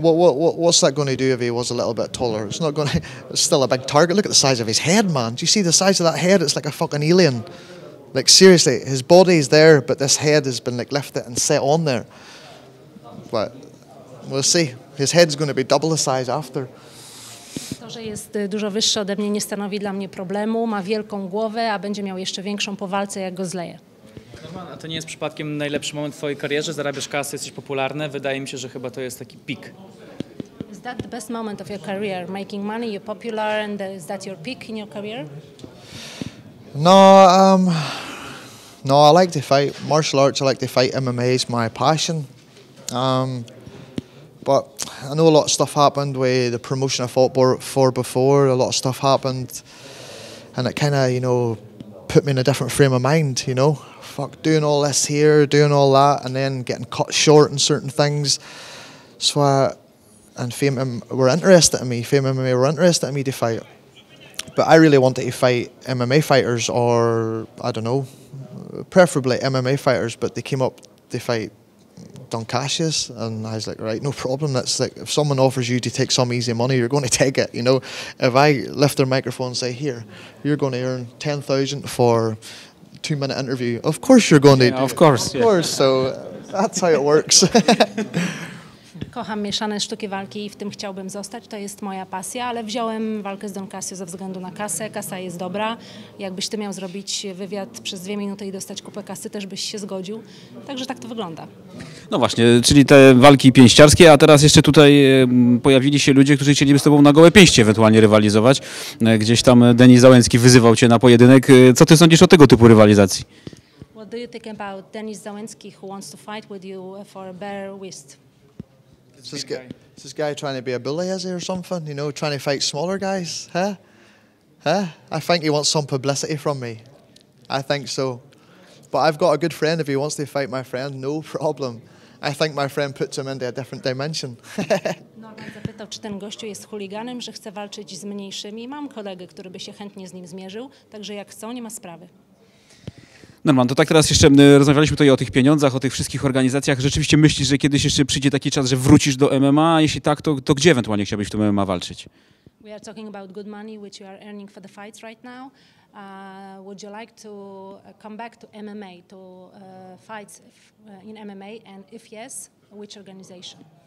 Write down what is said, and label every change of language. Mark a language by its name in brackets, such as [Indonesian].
[English] What's that going to do if he was a little bit taller? It's not going to. It's still a big target. Look at the size of his head, man. Do you see the size of that head? It's like a fucking alien. Like seriously, his body is there, but this head has been like lifted and set on there. But we'll see. His head's going to be double the size after. [Polish] To, że jest dużo wyższy ode mnie, nie stanowi dla mnie problemu. Ma wielką głowę, a będzie miał jeszcze większą po walce, jak go zleje. Norman, a to nie jest przypadkiem najlepszy moment w twojej karierze? Zarabiasz kasy, jesteś popularny. Wydaje mi się, że chyba to jest taki peak. [English] Is that the best moment of your career? Making money, you're popular, and is that your peak in your career? No, I like to fight martial arts. I like to fight MMA. It's my passion. But I know a lot of stuff happened with the promotion I fought for before. A lot of stuff happened, and it kind of, you know, put me in a different frame of mind. You know, fuck, doing all this here, doing all that, and then getting cut short in certain things. So, and Fame MMA were interested in me. Fame MMA were interested in me to fight. But I really wanted to fight MMA fighters, or I don't know, preferably MMA fighters. But they came up to fight Don Cassius, and I was like, right, no problem. That's like, if someone offers you to take some easy money, you're going to take it. You know, if I lift their microphone and say, here, you're going to earn 10,000 for a 2-minute interview, of course you're going to. Yeah, of course. Of course. Yeah. So that's how it works. [Polish] Kocham mieszane sztuki walki i w tym chciałbym zostać. To jest moja pasja, ale wziąłem walkę z Don Cassio ze względu na kasę. Kasa jest dobra. Jakbyś ty miał zrobić wywiad przez 2 minuty i dostać kupę kasy, też byś się zgodził. Także tak to wygląda. No właśnie, czyli te walki pięściarskie, a teraz jeszcze tutaj pojawili się ludzie, którzy chcieliby z tobą na gołe pięści ewentualnie rywalizować. Gdzieś tam Denis Załęcki wyzywał cię na pojedynek. Co ty sądzisz o tego typu rywalizacji? [English] What do you think about Denis Załęcki, who wants to fight with you for a bare wrist? Is this guy trying to be a bully, is he, or something? You know, trying to fight smaller guys, huh? Huh? I think he wants some publicity from me. I think so. But I've got a good friend. If he wants to fight my friend, no problem. I think my friend puts him into a different dimension. [Polish] Norman zapytał, czy ten gościu jest chuliganem, że chce walczyć z mniejszymi. Mam kolegę, który by się chętnie z nim zmierzył, także jak chcą, nie ma sprawy. Norman, to tak teraz jeszcze rozmawialiśmy tutaj o tych pieniądzach, o tych wszystkich organizacjach. Rzeczywiście myślisz, że kiedyś jeszcze przyjdzie taki czas, że wrócisz do MMA? Jeśli tak, to gdzie ewentualnie chciałbyś w tym MMA walczyć? [English] We are talking about good money, which you are earning for the fights right now. Would you like to come back to MMA, to fights in MMA? And if yes, which organization?